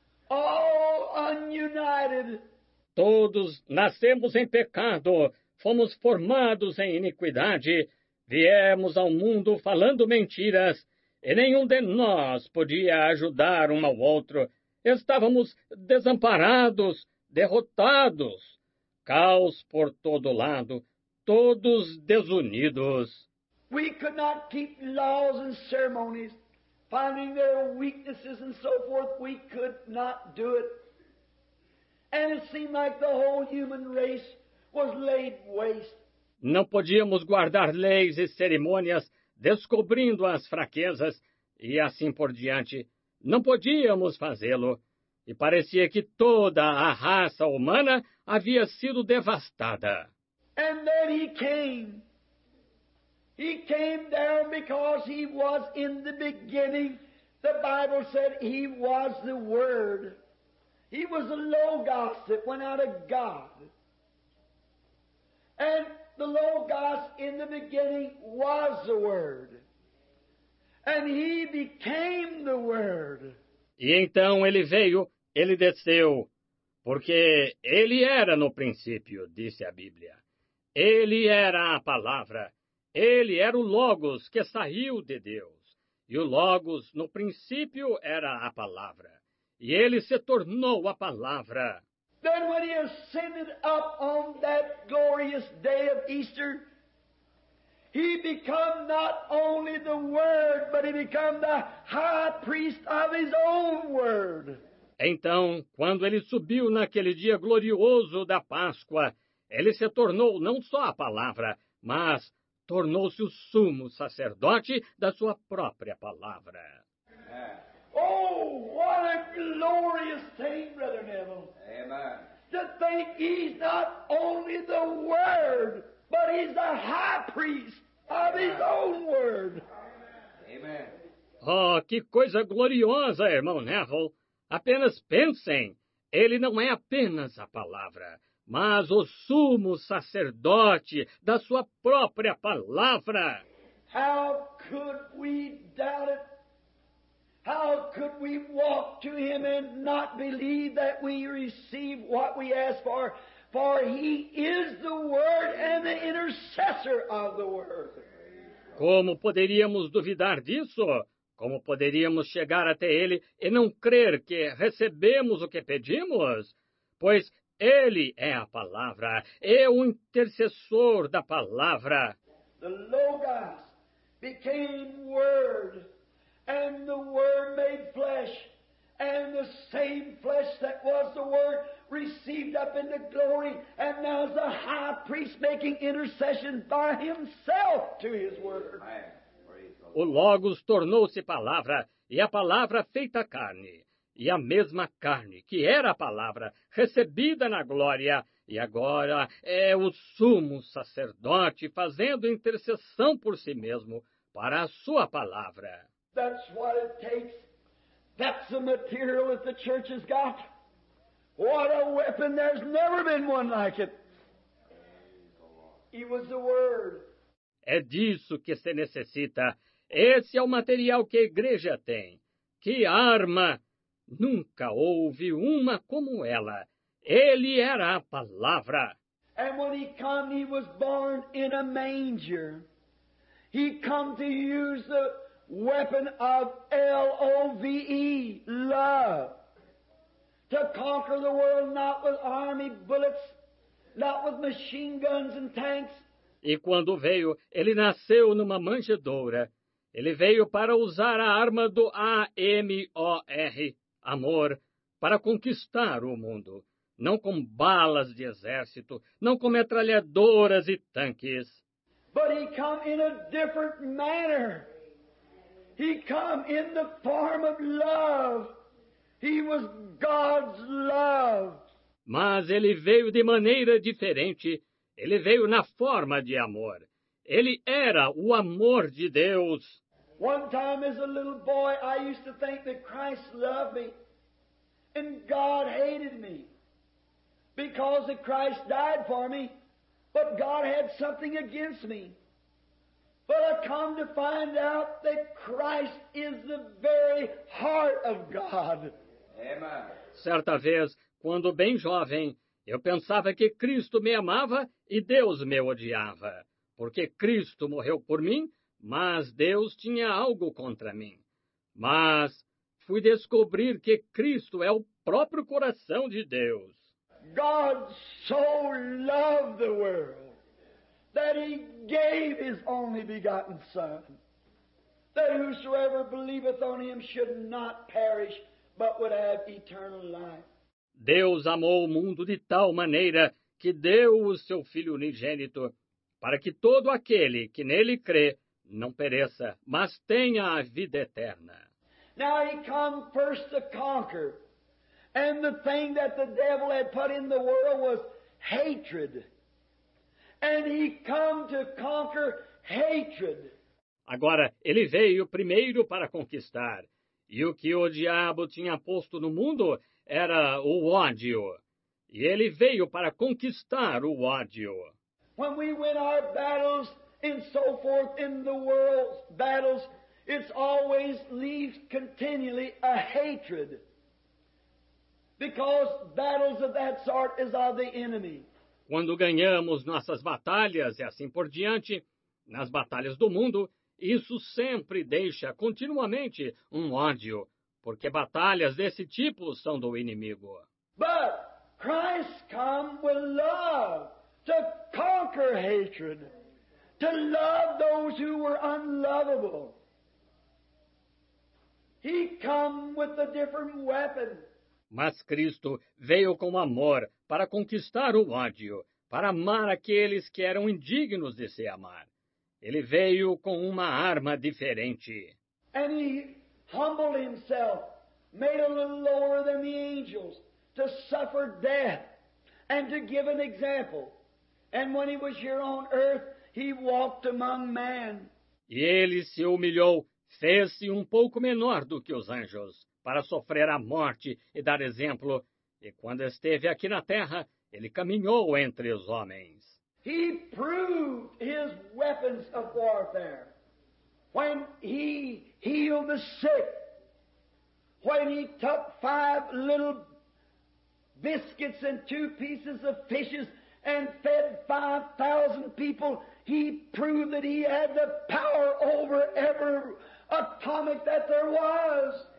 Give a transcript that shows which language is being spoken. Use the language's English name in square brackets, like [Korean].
[English] All ununited. [Portuguese] Todos nascemos em pecado, fomos formados em iniquidade, viemos ao mundo falando mentiras, e nenhum de nós podia ajudar um ao outro. Estávamos desamparados, derrotados. Caos por todo lado, todos desunidos. [English] We could not keep laws and ceremonies, finding their weaknesses and so forth. We could not do it. And it seemed like the whole human race was laid waste. [Portuguese] Não podíamos guardar leis e cerimônias, descobrindo as fraquezas e assim por diante. Não podíamos fazê-lo. E parecia que toda a raça humana havia sido devastada. [English] And then he came. He came down because he was in the beginning. The Bible said he was the Word. He was the Logos that went out of God. And the Logos in the beginning was the Word. And he became the Word. [Portuguese] E então ele veio, ele desceu. Porque ele era no princípio, disse a Bíblia. Ele era a palavra. Ele era o Logos que saiu de Deus. E o Logos, no princípio, era a palavra. E ele se tornou a palavra. [English] Then when he ascended up on that glorious day of Easter, he became not only the Word, but he became the high priest of his own Word. [Portuguese] Então, quando ele subiu naquele dia glorioso da Páscoa, ele se tornou não só a palavra, mas tornou-se o sumo sacerdote da sua própria palavra. [English] Oh, what a glorious thing, Brother Neville. Amen. To think he's not only the Word, but he's the high priest of Amen. His own Word. Amen. [Portuguese] Oh, que coisa gloriosa, irmão Neville. Apenas pensem, ele não é apenas a palavra, mas o sumo sacerdote da sua própria palavra. [English] How could we doubt it? How could we walk to him and not believe that we receive what we ask for? For he is the Word and the intercessor of the Word. [Portuguese] Como poderíamos duvidar disso? Como poderíamos chegar até ele e não crer que recebemos o que pedimos? Pois Ele é a palavra. É o intercessor da palavra. [English] The Logos became word, and the word made flesh, and the same flesh that was the word received up into glory, and now is the high priest making intercession by himself to his word. [Portuguese] O Logos tornou-se palavra, e a palavra feita carne, e a mesma carne que era a palavra recebida na glória, e agora é o sumo sacerdote fazendo intercessão por si mesmo para a sua palavra. [English] That's what it takes. That's the material that the church has got. What a weapon. There's never been one like it. It was the word. [Portuguese] É disso que se necessita. Esse é o material que a igreja tem. Que arma! Nunca houve uma como ela. Ele era a palavra. [English] And when he came, he was born in a manger. He came to use the weapon of L-O-V-E, love, to conquer the world, not with army bullets, not with machine guns and tanks. [Portuguese] E quando veio, ele nasceu numa manjedoura. Ele veio para usar a arma do A-M-O-R, amor, para conquistar o mundo. Não com balas de exército, não com metralhadoras e tanques. [English] But he came in a different manner. He came in the form of love. He was God's love. [Portuguese] Mas ele veio de maneira diferente. Ele veio na forma de amor. Ele era o amor de Deus. [English] One time as a little boy, I used to think that Christ loved me and God hated me because that Christ died for me, but God had something against me. But I come to find out that Christ is the very heart of God. Amen. [Portuguese] Certa vez, quando bem jovem, eu pensava que Cristo me amava e Deus me odiava. Porque Cristo morreu por mim, mas Deus tinha algo contra mim. Mas fui descobrir que Cristo é o próprio coração de Deus. [English] God so loved the world that he gave his only begotten Son, that whosoever believeth on him should not perish, but would have eternal life. [Portuguese] Deus amou o mundo de tal maneira que deu o seu Filho unigênito, para que todo aquele que nele crê não pereça, mas tenha a vida eterna. [English] Now he came first to conquer, and the thing that the devil had put in the world was hatred. And he came to conquer hatred. [Portuguese] Agora, ele veio primeiro para conquistar. E o que o diabo tinha posto no mundo era o ódio. E ele veio para conquistar o ódio. [English] When we win our battles and so forth in the world's battles, it's always leaves continually a hatred. Because battles of that sort is of the enemy. [Portuguese] Quando ganhamos nossas batalhas e assim por diante, nas batalhas do mundo, isso sempre deixa continuamente um ódio, porque batalhas desse tipo são do inimigo. [English] But Christ came with love to conquer hatred, to love those who were unlovable. He came with a different weapon. [Portuguese] Mas Cristo veio com amor para conquistar o ódio, para amar aqueles que eram indignos de se amar. Ele veio com uma arma diferente. [English] And he humbled himself, made a little lower than the angels, to suffer death and to give an example. And when he was here on earth, he walked among men. [Portuguese] E ele se humilhou, fez-se um pouco menor do que os anjos, para sofrer a morte e dar exemplo. E quando esteve aqui na terra, ele caminhou entre os homens. [English] He proved his weapons of warfare. When he healed the sick, when he took five little biscuits and two pieces of fishes and fed 5,000 people, he proved that he had the power over every atomic that there was.